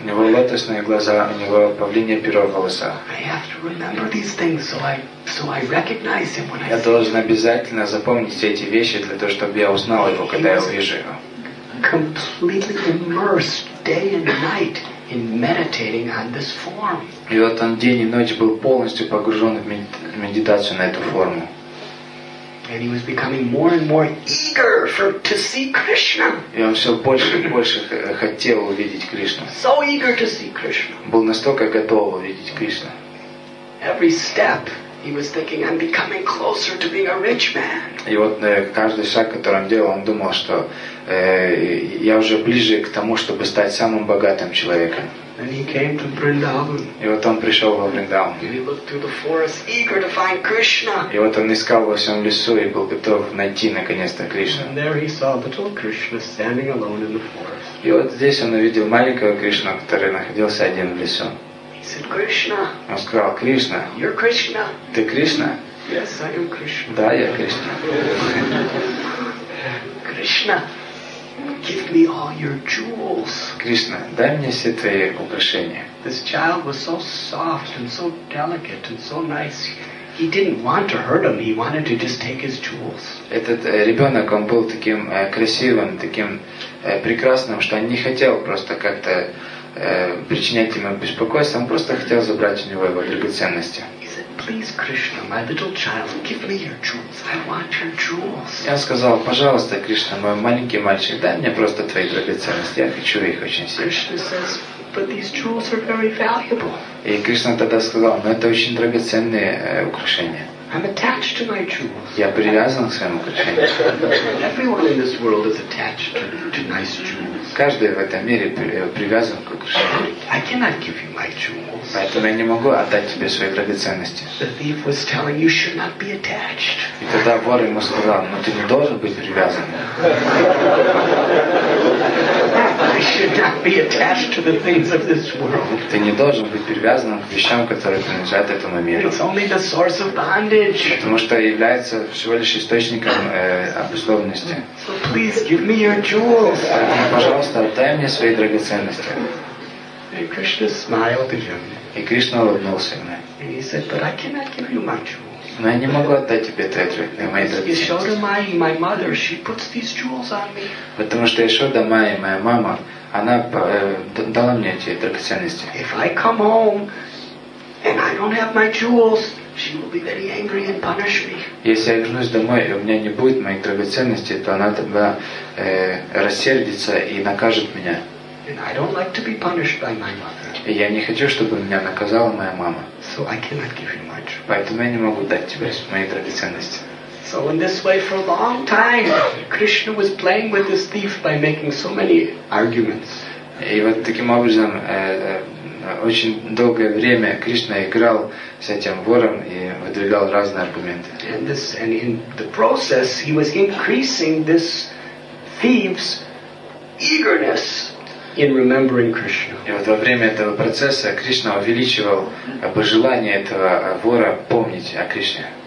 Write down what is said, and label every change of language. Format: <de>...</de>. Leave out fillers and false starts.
<ru>У него лотосные глаза, у него павлинье перо в волосах.</ru> <en>I have to remember these things so I recognize him when I see him.</en> <ru>Я должен обязательно запомнить эти вещи для того, чтобы я узнал его, когда я увижу его.</ru> <en>Completely immersed day and night in meditating on this form.</en> <ru>И вот он день и ночь был полностью погружен в медитацию на эту форму.</ru> <en>And he was becoming more and more eager to see Krishna.</en> <ru>И он все больше и больше хотел увидеть Кришну.</ru> <en>So eager to see Krishna.</en> <ru>Был настолько готов увидеть Кришну.</ru> <en>Every step he was thinking, I'm becoming closer to being a rich man.</en> <ru>И вот каждый шаг, который он делал, он думал, что я уже ближе к тому, чтобы стать самым богатым человеком.</ru> <en>And he came to Vrindavan.</en> <ru>И вот он пришел во Вриндаван.</ru> <en>And he looked through the forest, eager to find Krishna.</en> <ru>И вот он искал во всем лесу и был готов найти наконец-то Кришну.</ru> <en>And there he saw little Krishna standing alone in the forest.</en> <ru>И вот здесь он увидел маленького Кришну, который находился один в лесу.</ru> <en>He said, Krishna.</en> <ru>Он сказал, Кришна.</ru> <en>You're Krishna.</en> <ru>Ты Кришна?</ru> <en>Yes, I am Krishna.</en> <ru>Да, я Кришна.</ru> <en>Krishna. Give me all your jewels.</en> <ru>Кришна, дай мне все твои украшения.</ru> <en>This child was so soft and so delicate and so nice. He didn't want to hurt him. He wanted to just take his jewels.</en> <ru>Этот ребенок, он был таким красивым, таким прекрасным, что он не хотел просто как-то причинять ему беспокойство. Он просто хотел забрать у него его драгоценности.</ru> <en>Please, Krishna, my little child, give me your jewels. I want your jewels.</en> <ru>Я сказал, пожалуйста, Кришна, мой маленький мальчик, дай мне просто твои драгоценности. Я хочу их очень сильно.</ru> <en>Krishna says, but these jewels are very valuable.</en> <ru>И Кришна тогда сказал, но это очень драгоценные украшения.</ru> <en>I'm attached to my jewels.</en> <ru>Я привязан к своим украшениям.</ru> <en>Everyone in this world is attached to nice jewels.</en> <ru>Каждый в этом мире привязан к украшениям.</ru> <en>I cannot give you my jewels.</en> <ru>Поэтому я не могу отдать тебе свои драгоценности.</ru> <en>The thief was telling you should not be attached.</en> <ru>И тогда вор ему сказал, но ты не должен быть привязан.</ru> <en>I should not be attached to the things of this world.</en> <ru>Ты не должен быть привязан к вещам, которые принадлежат этому миру.</ru> <en>It's only the source of bondage.</en> <ru>Потому что является всего лишь источником обусловленности.</ru> <en>So please give me your jewels.</en> <ru>Пожалуйста, отдай мне свои драгоценности.</ru> <en>And Krishna smiled at him.</en> <ru>И Кришна улыбнулся ему.</ru> <en>And he said, but I cannot give you my jewels.</en> <ru>Но я не могу отдать тебе твои драгоценности.</ru> <en>He showed my mother, she puts these jewels on me.</en> <ru>Потому что Ишода Майи, моя мама, она дала мне эти драгоценности.</ru> <en>If I come home and I don't have my jewels, she will be very angry and punish me.</en> <ru>Если я вернусь домой и у меня не будет моих драгоценностей, то она тогда рассердится и накажет меня.</ru> <en>And I don't like to be punished by my mother.</en> <ru>Я не хочу, чтобы меня наказала моя мама.</ru> <en>So I cannot give you much.</en> <ru>Поэтому я не могу дать тебе мои драгоценности.</ru> <en>So in this way for a long time, Krishna was playing with this thief by making so many arguments.</en> <ru>И вот таким образом очень долгое время Кришна играл с этим вором и выдвигал разные аргументы.</ru> <en>And in the process, he was increasing this thief's eagerness. In remembering Krishna.</en> <ru>И вот во время этого процесса Кришна увеличивал пожелание этого вора помнить о Кришне.</ru>